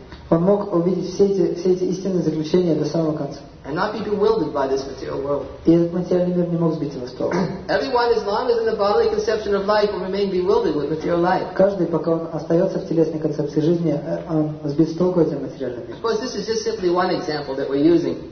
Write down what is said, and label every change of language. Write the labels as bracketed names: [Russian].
[Russian] Он мог увидеть все эти истинные заключения до самого конца. [English] And not be bewildered by this material world. [Russian] И этот материальный мир не мог сбить его с толку. [English] Everyone, as long as in the bodily conception of life, will remain bewildered with material life. [Russian] Каждый, пока он остается в телесной концепции жизни, сбит с толку этим материальным миром. [English] Of course, this is just simply one example that we're using.